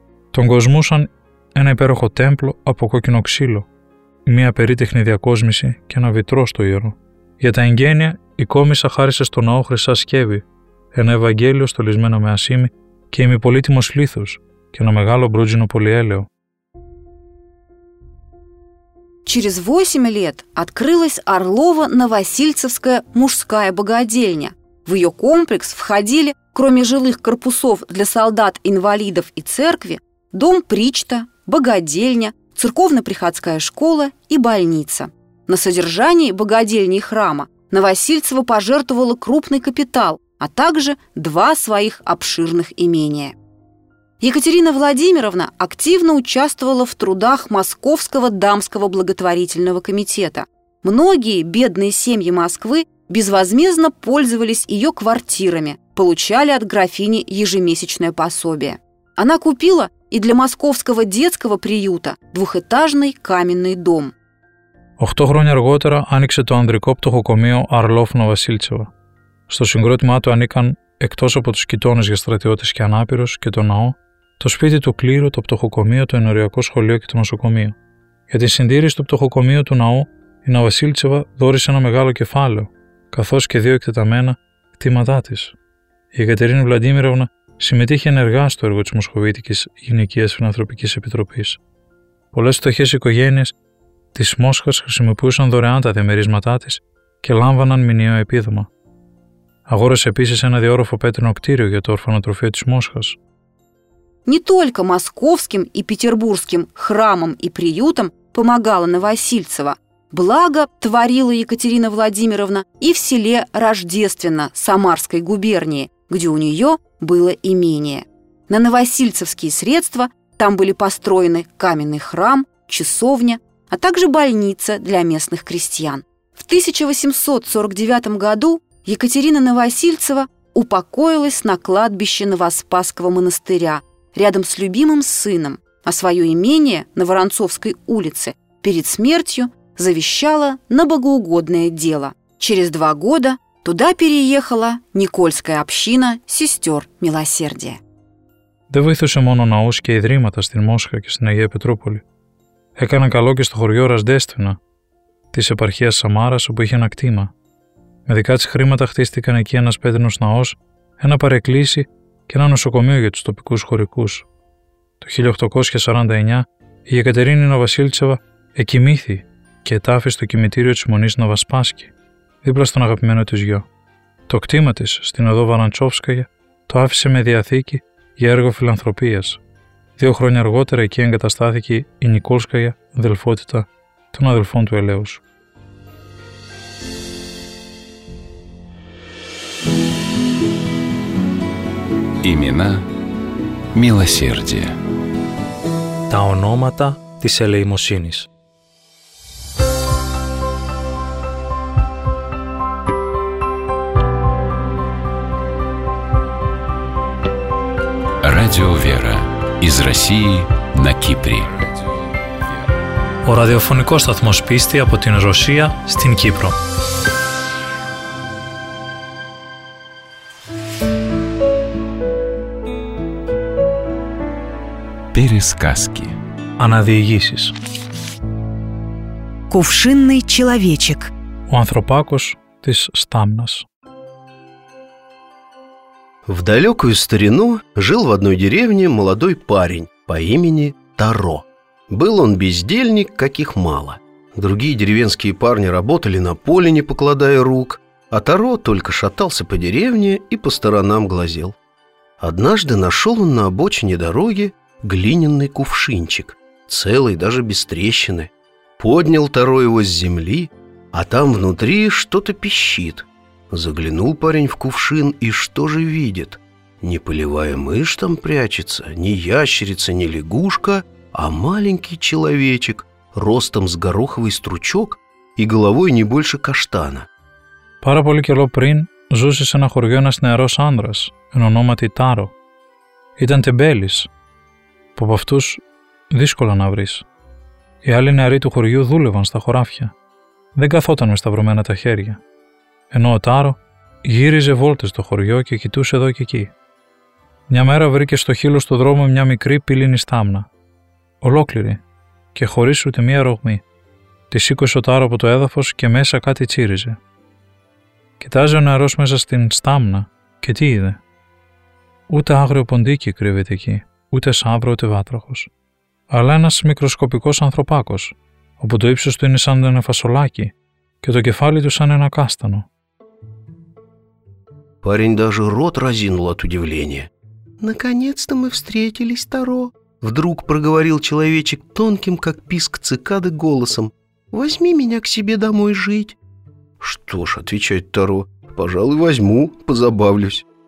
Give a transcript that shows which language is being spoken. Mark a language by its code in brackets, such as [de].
[el] Τον κοσμούσαν ένα υπέροχο τέμπλο από κόκκινο ξύλο, μια περίτεχνη διακόσμηση και ένα βιτρό στο ιερό. Για τα εγγένεια, η κόμισσα χάρισε στο ναό χρυσά σκεύη, ένα Ευαγγέλιο στολισμένο με ασήμι και ημιπολίτιμος λίθος και ένα μεγάλο μπρούτζινο πολυέλαιο. [ru] Через 8 лет открылась Орлово-Новосильцевская мужская богадельня. В ее комплекс входили, кроме жилых корпусов для солдат, инвалидов и церкви, дом причта, богадельня, церковно-приходская школа и больница. На содержании богадельни и храма Новосильцева пожертвовала крупный капитал, а также 2 своих обширных имения. Екатерина Владимировна активно участвовала в трудах Московского дамского благотворительного комитета. Многие бедные семьи Москвы безвозмездно пользовались ее квартирами, получали от графини ежемесячное пособие. Она купила и для московского детского приюта 2-этажный каменный дом. 8 лет [el] аргότερα άνοιξε το ανδρικό πτωχοκομείο Αρλόφ-Νοβασίλτσεβα. Στο συγκρότημά του ανήκαν, εκτός από τους κοιτώνες για στρατιώτες και ανάπηρους και το ναό, το σπίτι του κλήρου, το πτωχοκομείο, το ενωριακό σχολείο και το νοσοκομείο. Για την συντήρηση του πτωχοκομείου του ναού, η Νοβασίλτσεβα δόρισε ένα μεγάλο κεφάλαιο, καθώς και 2 εκτεταμένα κτήματά της. Η Εκατερίνη Βλαντίμιρεβνα συμμετείχε ενεργά στο έργο της Μοσχοβίτικης Γυναικείας Φιλανθρωπικής Επιτροπής. Πολλές φτωχές οικογένειες της Μόσχας χρησιμοποιούσαν δωρεάν τα διαμερίσματά της και λάμβαναν μηνιαίο επίδομα. Αγόρασε επίσης ένα διόροφο πέτρινο κτίριο για το ορφανοτροφείο της Μόσχας. [ru] Не только московским и петербургским храмам и приютам помогала Новосильцева. Благо творила Екатерина Владимировна и в селе Рождественно Самарской губернии, где у нее было имение. На новосильцевские средства там были построены каменный храм, часовня, а также больница для местных крестьян. В 1849 году Екатерина Новосильцева упокоилась на кладбище Новоспасского монастыря, рядом с любимым сыном, а свое имение на Воронцовской улице перед смертью завещала на богоугодное дело. Через 2 года туда переехала Никольская община сестер милосердия. [el] Да вытушу моно науськи идримата стин Мошха и стин Агия Петрополи. Έκανα καλό και στο χωριό Ραζδέστινα, της επαρχίας Σαμάρας, όπου είχε ένα κτήμα. Με δικά της χρήματα χτίστηκαν εκεί ένας πέτρινος ναός, ένα παρεκκλήσι και ένα νοσοκομείο για τους τοπικούς χωρικούς. Το 1849 η Εκατερίνη Ναυασίλτσεβα εκοιμήθη και ετάφη στο κημητήριο της Μονής Ναυασπάσκη, δίπλα στον αγαπημένο της γιο. Το κτήμα της στην οδό Βαραντσόφσκαγια το άφησε με διαθήκη για έργο φιλανθρωπίας. 2 χρόνια αργότερα εκεί εγκαταστάθηκε η Νικόλσκαγια αδελφότητα των αδελφών του Ελέους. [ru] Имена милосердия. [el] Τα ονόματα της ελεημοσύνης. [ru] Радио Вера из России на Кипре. [el] Ο ραδιοφωνικός σταθμός πίστη από την Ρωσία στην Κύπρο. [ru] Пересказки. [el] Αναδιηγήσεις. [ru] Κουφσίνный человечек. [el] Ο ανθρωπάκος της Στάμνας. [ru] В далекую старину жил в одной деревне молодой парень по имени Таро. Был он бездельник, каких мало. Другие деревенские парни работали на поле, не покладая рук, а Таро только шатался по деревне и по сторонам глазел. Однажды нашел он на обочине дороги глиняный кувшинчик, целый даже без трещины. Поднял Таро его с земли, а там внутри что-то пищит. Заглянул парень в кувшин, и что же видит? Не полевая мышь там прячется, ни ящерица, ни лягушка, а маленький человечек, ростом с гороховый стручок и головой не больше каштана. [el] Пара πολύ καιρό πριν ζούσε σε ένα χωριό ένας νεαρός άνδρας, εν ονόματι Τάρο. Ήταν τεμπέλης, που από αυτούς δύσκολα να βρεις. Οι άλλοι νεαροί του χωριού δούλευαν στα χωράφια. Δεν καθόταν με σταυρωμένα τα χέρια. Ενώ ο Τάρο γύριζε βόλτες στο χωριό και κοιτούσε εδώ και εκεί. Μια μέρα βρήκε στο χείλο του δρόμου μια μικρή πύληνη στάμνα. Ολόκληρη και χωρίς ούτε μία ρογμή. Τη σήκωσε ο Τάρο από το έδαφος και μέσα κάτι τσίριζε. Κοιτάζει ο νεαρός μέσα στην στάμνα και τι είδε. Ούτε άγριο ποντίκι κρύβεται εκεί, ούτε σαύρο ούτε βάτραχος. Αλλά ένας μικροσκοπικός ανθρωπάκος, όπου το ύψος του είναι σαν ένα φασολάκι και το κεφάλι του σαν ένα κάστανο. [ru] Парень даже рот разинул от удивления. «Наконец-то мы встретились, Таро!» Вдруг проговорил человечек тонким, как писк цикады, голосом. «Возьми меня к себе домой жить!» «Что ж», — отвечает Таро, — «пожалуй, возьму, позабавлюсь».